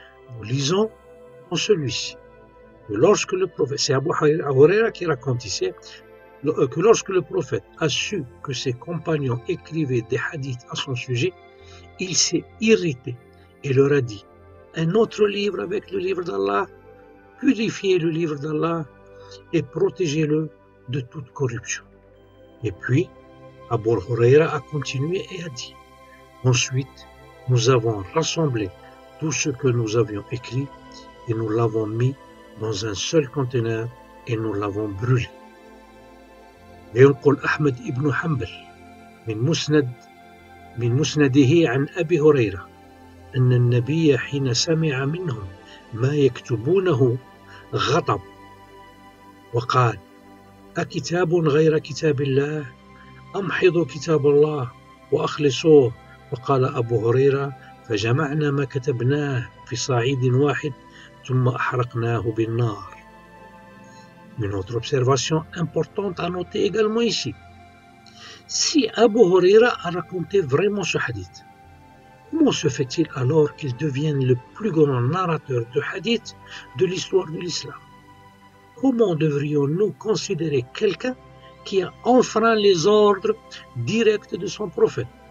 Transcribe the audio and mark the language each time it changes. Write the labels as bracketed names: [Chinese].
[French] Nous lisons en celui-ci. Lorsque le prophète, c'est Abu Huraira qui raconte ici, que lorsque le prophète a su que ses compagnons écrivaient des hadiths à son sujet, il s'est irrité et leur a dit, un autre livre avec le livre d'Allah, purifiez le livre d'Allah et protégez-le de toute corruption. Et puis, Abu Huraira a continué et a dit, ensuite, nous avons rassemblé tout ce que nous avions écrit et nous l'avons mis dans un seul conteneur et nous l'avons brûlé. [Arabic] ينقل أحمد ابن حنبل من مسنده عن أبي هريرة أن النبي حين سمع منهم ما يكتبونه غضب وقال أكتاب غير كتاب الله أمحضوا كتاب الله وأخلصوه وقال أبو هريرة فجمعنا ما كتبناه في صعيد واحد ثم أحرقناه بالنار. [French] Une autre observation importante à noter également ici. Si Abu Huraira a raconté vraiment ce hadith, comment se fait-il alors qu'il devienne le plus grand narrateur de hadith de l'histoire de l'islam? Comment devrions-nous considérer quelqu'un qui a enfreint les ordres directs de son prophète?